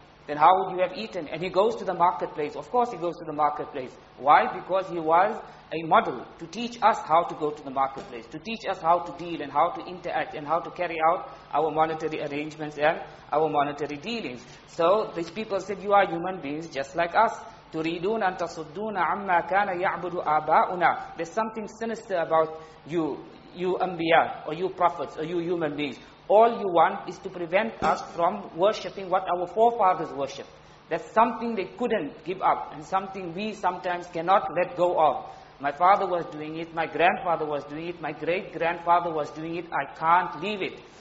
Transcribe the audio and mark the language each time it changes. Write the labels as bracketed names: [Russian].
[English] Then how would you have eaten? And he goes to the marketplace. Of course he goes to the marketplace. Why? Because he was a model to teach us how to go to the marketplace, to teach us how to deal and how to interact and how to carry out our monetary arrangements and our monetary dealings. So these people said, you are human beings just like us. [Arabic] تريدون أن تصدون عما كان يعبد آباؤنا. [English] There's something sinister about you, you anbiya, or you prophets, or you human beings. All you want is to prevent us from worshipping what our forefathers worshipped. That's something they couldn't give up, and something we sometimes cannot let go of. My father was doing it, my grandfather was doing it, my great-grandfather was doing it, I can't leave it.